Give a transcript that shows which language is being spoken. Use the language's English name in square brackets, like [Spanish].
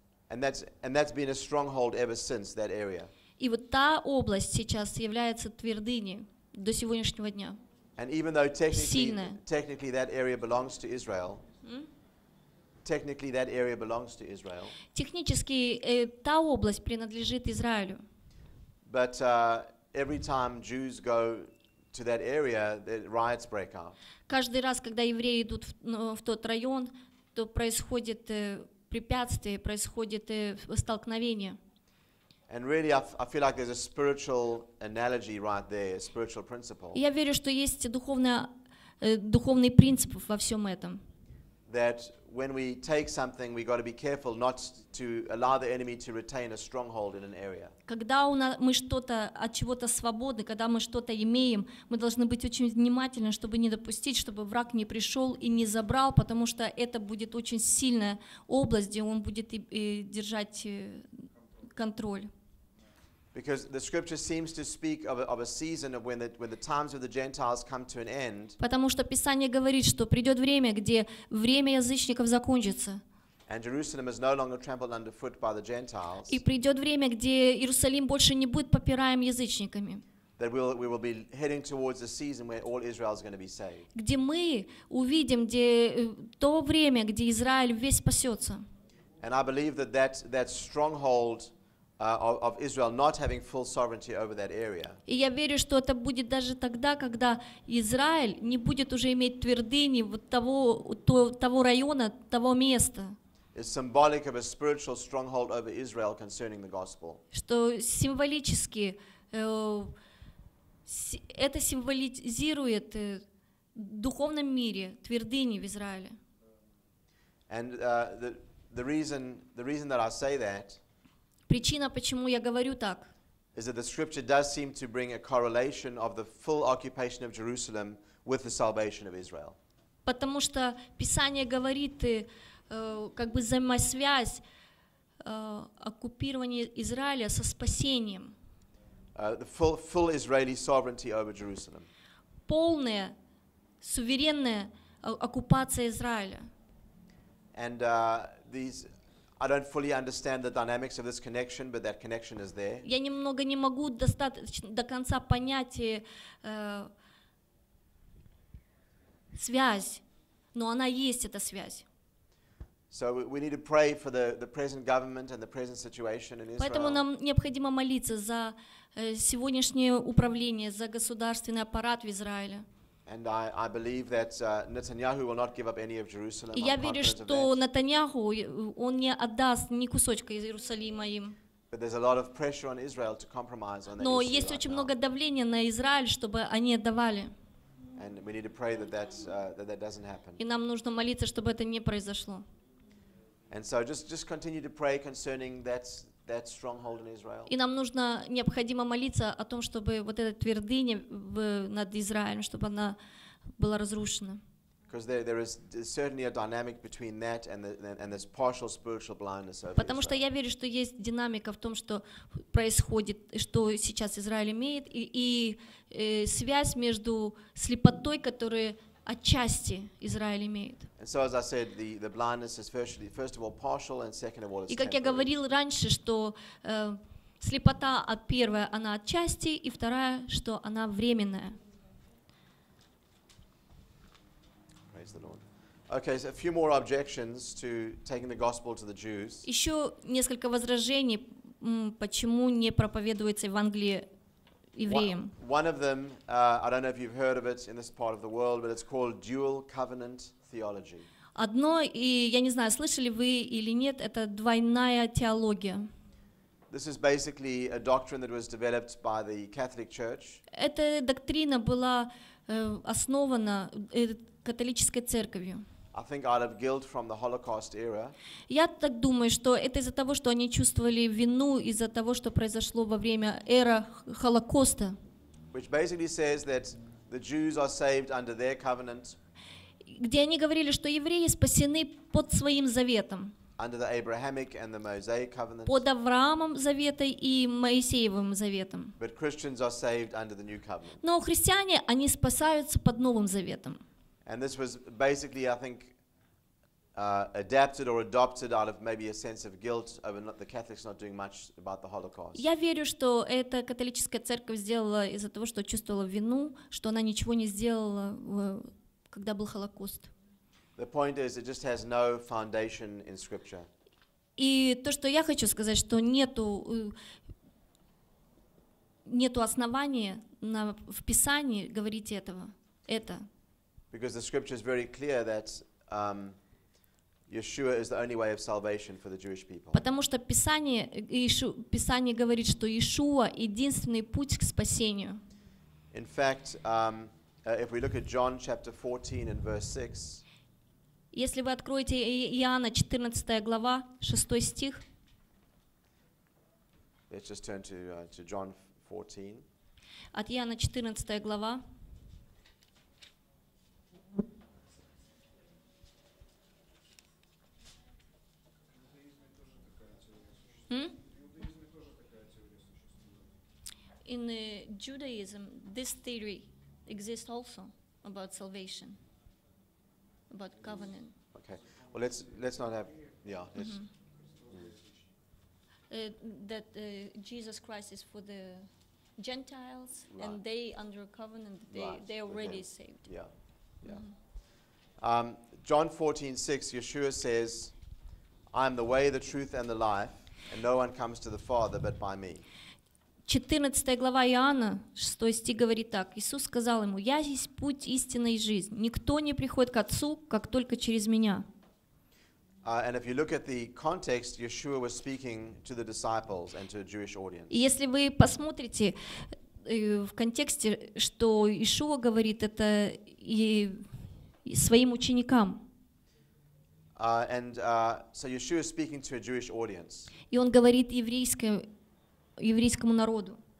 [English] And that's been a stronghold ever since, that area. [Russian] И вот та область сейчас является твердыней до сегодняшнего дня. [English] And even though technically that area belongs to Israel, technically that area belongs to Israel. [Russian] Технически та область принадлежит Израилю. [English] But every time Jews go to that area, the riots break out. [Russian] Каждый раз, когда евреи идут в тот район, то происходит препятствие, происходит столкновение. [English] And really, I feel like there's a spiritual analogy right there, a spiritual principle. [Russian] Я верю, что есть духовный принцип во всем этом. [English] That when we take something, we got to be careful not to allow the enemy to retain a stronghold in an area. [Russian] Когда мы что-то от чего-то свободны, когда мы что-то имеем, мы должны быть очень внимательны, чтобы не допустить, чтобы враг не пришел и не забрал, потому что это будет очень сильная область, где он будет держать контроль. [English] Because the scripture seems to speak of a season of when the times of the Gentiles come to an end. [Russian] Потому что Писание говорит, что придет время, где время язычников закончится. [English] And Jerusalem is no longer trampled underfoot by the Gentiles. [Russian] И придет время, где Иерусалим больше не будет попираем язычниками. [English] That we will be heading towards a season where all Israel is going to be saved. [Russian] Где мы увидим, где то время, где Израиль весь спасется. [English] And I believe that stronghold of Israel not having full sovereignty over that area. [Russian] И я верю, что это будет даже тогда, когда Израиль не будет уже иметь твердыни вот того района, того места. [English] It's symbolic of a spiritual stronghold over Israel concerning the gospel. [Russian] Что символически это символизирует в духовном мире твердыни в Израиле. [English] And the reason that I say that. [Russian] Причина, почему я говорю так, [English] is that the scripture does seem to bring a correlation of the full occupation of Jerusalem with the salvation of Israel. [Russian] Потому что Писание говорит, как бы взаимосвязь оккупирования Израиля со спасением. [English] The full Israeli sovereignty over Jerusalem. [Russian] Полная суверенная оккупация Израиля. [English] And I don't fully understand the dynamics of this connection, but that connection is there. [Russian] Я немного не могу достаточно до конца понять связь, но она есть, эта связь. [English] So we need to pray for the present government and the present situation in Israel. [Russian] Поэтому нам необходимо молиться за сегодняшнее управление, за государственный аппарат в Израиле. [English] And I believe that Netanyahu will not give up any of Jerusalem. [Russian] Я верю, что Нетаньяху он не отдаст ни кусочка из Иерусалима им. [English] But there's a lot of pressure on Israel to compromise on that. [Russian] Но есть очень много давления на Израиль, чтобы они отдавали. [English] And we need to pray that doesn't happen. [Russian] И нам нужно молиться, чтобы это не произошло. [English] And so just continue to pray concerning that stronghold in Israel. [Russian] И нам нужно необходимо молиться о том, чтобы вот эта твердыня над Израилем, чтобы она была разрушена. [English] Because there is certainly a dynamic between that and this partial spiritual blindness over. [Russian] Потому что я верю, что есть динамика в том, что происходит, что сейчас Израиль имеет, и связь между слепотой, которую отчасти Израиль имеет. [English] And so, as I said, the blindness is first of all partial, and second of all, it's temporary. [Russian] И как я говорил раньше, что слепота от первая она отчасти, и вторая, что она временная. [English] Praise the Lord. Okay, so a few more objections to taking the gospel to the Jews. [Russian] Еще несколько возражений, почему не проповедуется Евангелие евреям. [English] One of them, I don't know if you've heard of it in this part of the world, but it's called dual covenant theology. [Russian] Одно, и я не знаю, слышали вы или нет, это двойная теология. [English] This is basically a doctrine that was developed by the Catholic Church. [Russian] Эта доктрина была основана католической церковью. [English] I think out of guilt from the Holocaust era. [Russian] Я так думаю, что это из-за того, что они чувствовали вину из-за того, что произошло во время эры Холокоста. [English] Which basically says that the Jews are saved under their covenant. [Russian] Где они говорили, что евреи спасены под своим заветом. [English] Under the Abrahamic and the Mosaic covenant. [Russian] Под Авраамом заветом и Моисеевым заветом. [English] But Christians are saved under the new covenant. [Russian] Но христиане, они спасаются под новым заветом. [English] And this was basically, I think, adapted or adopted out of maybe a sense of guilt over not, the Catholics not doing much about the Holocaust. [Russian] Я верю, что эта католическая церковь сделала из-за того, что чувствовала вину, что она ничего не сделала, когда был Холокост. [English] The point is, it just has no foundation in Scripture. [Russian] И то, что я хочу сказать, что нету основания на в Писании говорить это. [English] Because the scripture is very clear that Yeshua is the only way of salvation for the Jewish people. [Russian] Потому что Писание говорит, что Иешуа единственный путь к спасению. [English] In fact, if we look at John chapter 14 and verse 6. [Russian] Если вы откроете Иоанна 14 глава, 6 стих. [English] Let's just turn to John 14. [Russian] От Иоанна 14 глава. [English] In Judaism, this theory exists also about salvation, about covenant. Okay. Well, let's not have. Yeah. Let's, mm-hmm. That Jesus Christ is for the Gentiles, right. And they under a covenant, they already okay. Saved. Yeah. Yeah. Mm-hmm. John 14:6, Yeshua says, "I am the way, the truth, and the life." And no one comes to the Father but by me. [Russian] 14 глава Иоанна, 6 стих говорит так. Иисус сказал ему: "Я есть путь, истина и жизнь. Никто не приходит к Отцу, как только через меня." [English] And if you look at the context, Yeshua was speaking to the disciples and to a Jewish audience. [Russian] И если вы посмотрите в контексте, что Иешуа говорит это и своим ученикам. [English] So Yeshua is speaking to a Jewish audience. [Russian] И он говорит еврейскому народу.